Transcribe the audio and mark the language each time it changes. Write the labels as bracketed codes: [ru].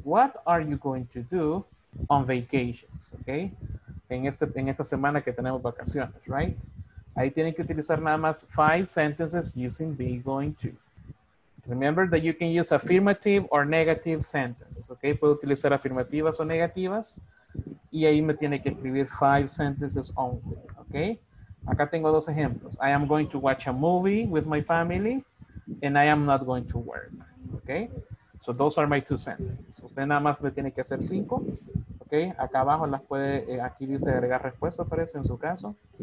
[en] What are you going to do on vacations? [es] ¿Ok? En esta semana que tenemos vacaciones, right? Ahí tienen que utilizar nada más 5 [en] sentences using be going to. Remember that you can use affirmative or negative sentences. [es] ¿Ok? Puedo utilizar afirmativas o negativas. Y ahí me tiene que escribir 5 [en] sentences only. ¿Ok? [es] Acá tengo dos ejemplos. [en] I am going to watch a movie with my family. and I am not going to work. Okay? So those are my two sentences. [es] Usted nada más me tiene que hacer cinco. Okay? Acá abajo las puede, aquí dice agregar respuesta, parece, en su caso.